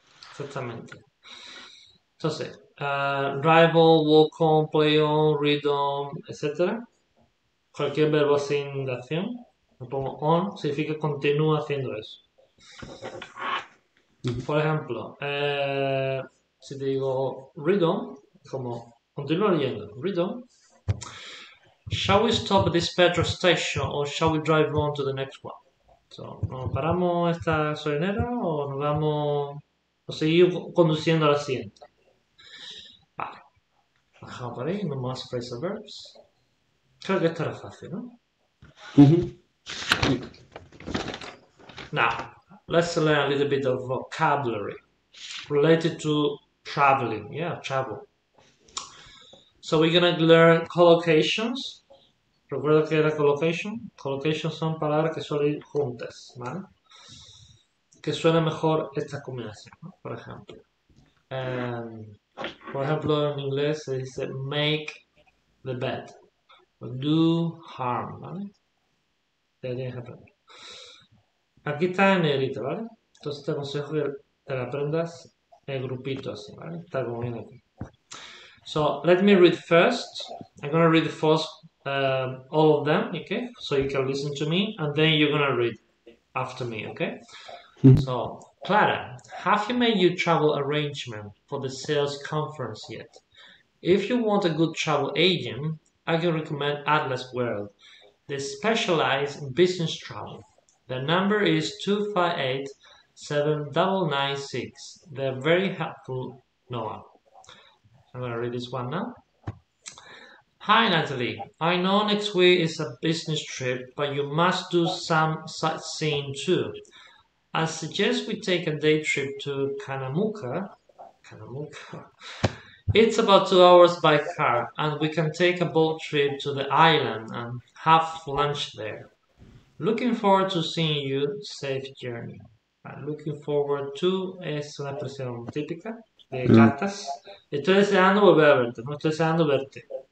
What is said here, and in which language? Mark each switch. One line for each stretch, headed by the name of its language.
Spanish: Exactamente. Entonces,
English: drive on, walk on, play on, read on,
Spanish: etc. Cualquier verbo sin de acción. Me pongo on, significa continúa haciendo eso. Por ejemplo, si te digo
English: read on,
Spanish: como continúa leyendo, read on.
English: Shall we stop at this petrol station or shall we drive on to the next one?
Spanish: So, ¿nos paramos esta gasolinera o nos vamos o seguimos conduciendo a la siguiente? Bajamos por ahí, no más phrasal verbs. Creo que esto era fácil, ¿no?
English: Now, let's learn a little bit of vocabulary related to traveling. Yeah, travel. So we're gonna learn collocations.
Spanish: Recuerda que era collocation. Collocations son palabras que suelen ir juntas, ¿vale? Que suena mejor esta combinación, ¿no? Por ejemplo. Por ejemplo, en inglés se dice
English: make the bed.
Spanish: O
English: do harm,
Spanish: ¿vale? Ya tienes que aprender. Aquí está en negrito, ¿vale? Entonces te aconsejo que te la aprendas en grupito así, ¿vale? Está como viene aquí.
English: So, let me read first. I'm gonna read the first, all of them, okay? So you can listen to me, and then you're gonna read after me, okay? So, Clara, have you made your travel arrangement for the sales conference yet? If you want a good travel agent, I can recommend Atlas World. They specialize in business travel. Their number is 258-7996. They're very helpful, Noah. I'm gonna read this one now. Hi, Natalie. I know next week is a business trip, but you must do some sightseeing too. I suggest we take a day trip to Kanamuka. Kanamuka. It's about 2 hours by car, and we can take a boat trip to the island and have lunch there. Looking forward to seeing you. Safe journey. Looking forward to
Spanish: es una expresión típica de cartas. Estoy deseando volver a verte, no estoy deseando verte.